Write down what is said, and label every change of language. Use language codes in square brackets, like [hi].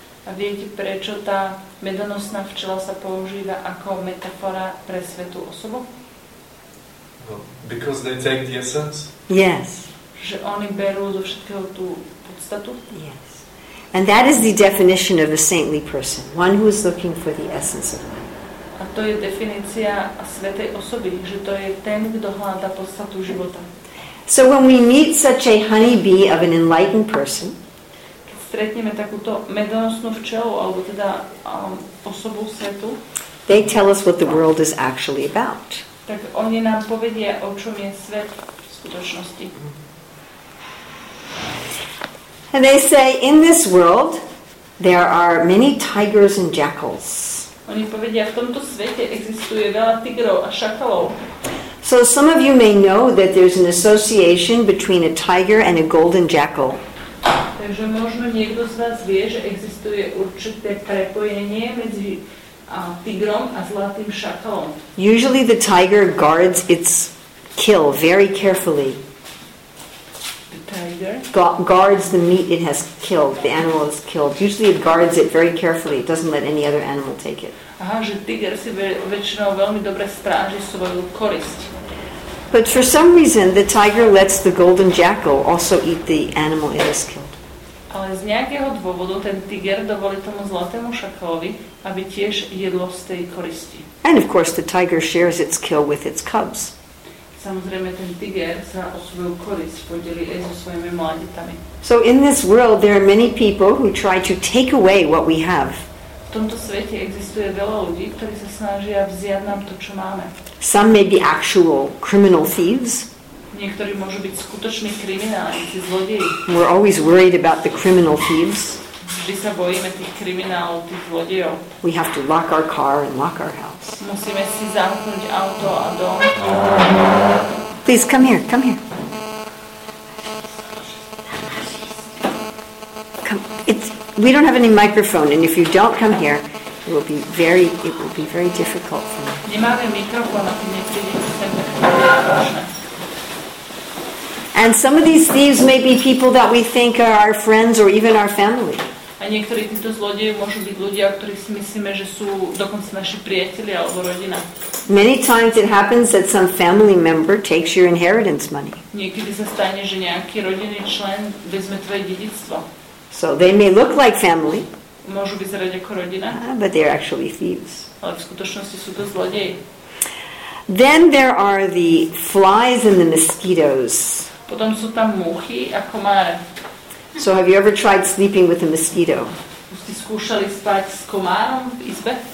[sk] A viete, prečo tá medonosná včela sa používa ako metafora pre svetú osobu? [en] Because they take the essence? Yes. [sk] Že oni berú zo všetkého tú podstatu? [en] Yes. And that is the definition of a saintly person, one who is looking for the essence of life. [sk] A to je definícia svätej osoby, že to je ten, kto hľadá podstatu života. [en] So when we meet such a honeybee of an enlightened person, [sk] keď stretneme takúto medonosnú včelu alebo teda osobu svetu, [en] they tell us what the world is actually about. [sk] Tak oni nám povedia, o čom je svet v skutočnosti. [en] And they say, in this world there are many tigers and jackals. [sk] Oni povedia, v tomto svete existuje veľa tigrov a šakalov. [en] So some of you may know that there's an association between a tiger and a golden jackal. [sk] Takže možno niekto z vás vie, že existuje určité prepojenie medzi tigrom a zlatým šakalom. [en] Usually the tiger guards its kill very carefully. The tiger guards the meat it has killed, the animal is killed. Usually it guards it very carefully. It doesn't let any other animal take it. [sk] Aha, že tiger si väčšinou veľmi dobre stráži svoju korisť. [en] But for some reason the tiger lets the golden jackal also eat the animal it has killed. [sk] Ale z nejakého dôvodu ten tiger dovolí tomu zlatému šakalovi, aby tiež jedlo z tej koristi. [en] And of course the tiger shares its kill with its cubs. [sk] Samozrejme ten tiger sa o svoju korisť podelí aj so svojimi mladitami. [en] So in this world there are many people who try to take away what we have. [sk] V tomto svete existuje veľa ľudí, ktorí sa snažia vziať nám to, čo máme. [en] Some may be actual criminal thieves. [sk] Niektorí môžu byť skutoční kriminálnici, zlodeji. [en] We're always worried about the criminal thieves. [sk] Vždy sa bojíme tých kriminálov, tých zlodejov. [en] We have to lock our car and lock our house. [sk] Musíme si zamknúť auto a dom. [en] Please, come here, come here. Come. We don't have any microphone, and if you don't come here, it will be very difficult for me. And some of these thieves may be people that we think are our friends or even our family. [sk] A niektorí títo zlodeji môžu byť ľudia, ktorí si myslíme, že sú dokonca naši priatelia alebo rodina. [en] Many times it happens that some family member takes your inheritance money. [sk] Niekedy sa stane, že nejaký rodinný člen vezme tvoje dedičstvo. [en] So they may look like family. [sk] Môžu vyzerať ako rodina. [en] But they're actually thieves. [sk] Ale v skutočnosti sú to zlodeji. [en] Then there are the flies and the mosquitoes. [sk] Potom sú tam muchy a komáre. [en] So have you ever tried sleeping with a mosquito? [sk] Už ste skúšali spať s komárom v izbe?